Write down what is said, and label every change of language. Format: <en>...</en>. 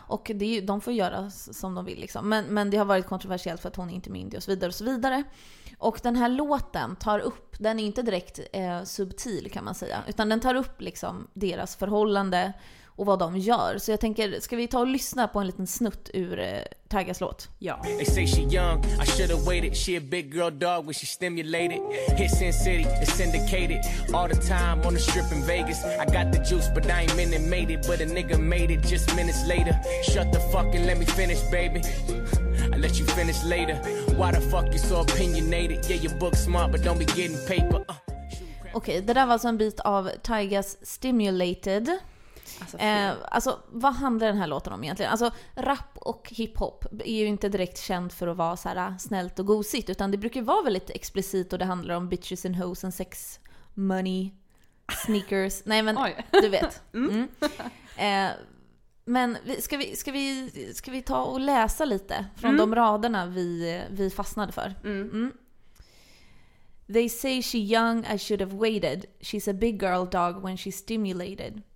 <sv>Och det är ju, de får göra som de vill liksom. Men det har varit kontroversiellt för att hon är inte med indie och så vidare och så vidare. Och den här låten tar upp, den är inte direkt subtil kan man säga, utan den tar upp liksom deras förhållande och vad de gör. Så jag tänker, ska vi ta och lyssna på en liten snutt ur Tygas låt? Ja.</sv> <en>They say she young, I should have waited. She a big girl dog when she stimulated. Hit Sin City, it's syndicated. All the time on the strip in Vegas. I got the juice, but I ain't minute made it. But a nigga made it just minutes later. Shut the fuck and let me finish, baby. I let you finish later. Why the fuck you so opinionated? Yeah, your book smart, but don't be getting paper.</en> <sv>Okej, det där var alltså en bit av Tygas Stimulated. Alltså, vad handlar den här låten om egentligen? Alltså, rap och hiphop är ju inte direkt känt för att vara så här snällt och gosigt, utan det brukar vara väldigt explicit och det handlar om</sv> <en>bitches and hoes and sex, money, sneakers.</en> <sv>Nej, men oj, du vet. Mm. Men ska vi ta och läsa lite från de raderna vi fastnade för?</sv> <en>They say she young, I should have waited. She's a big girl dog when she's stimulated.</en>